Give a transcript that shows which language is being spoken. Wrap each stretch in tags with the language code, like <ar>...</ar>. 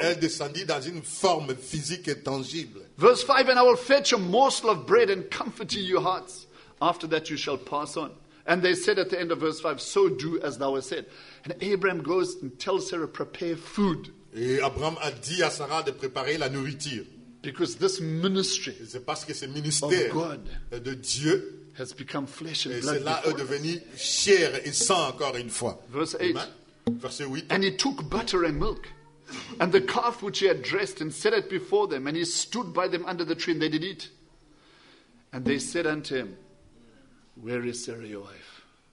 <fr>Dieu est descendu dans une forme physique et tangible.</fr> <en>Verse 5, and I will fetch a morsel of bread and comfort to your hearts. After that you shall pass on. And they said at the end of verse 5, so do as thou hast said. And Abraham goes and tells Sarah, prepare food.</en> <fr>Et Abraham a dit à Sarah de préparer la nourriture.</fr> <en>Because this ministry,</en> <fr>c'est parce que ce ministère</fr> <en>of God,</en> <fr>de Dieu,</fr> <en>has become flesh and</en> <fr>et</fr> <en>blood.</en> <fr>Et cela est devenu chair et sang encore une fois.</fr> <en>Verse 8,</en> <fr>verset 8,</fr> <en>and he took butter and milk. And the calf which he had dressed and set it before them, and he stood by them under the tree, and they did eat. And they said unto him, where is Sarah your wife?</en>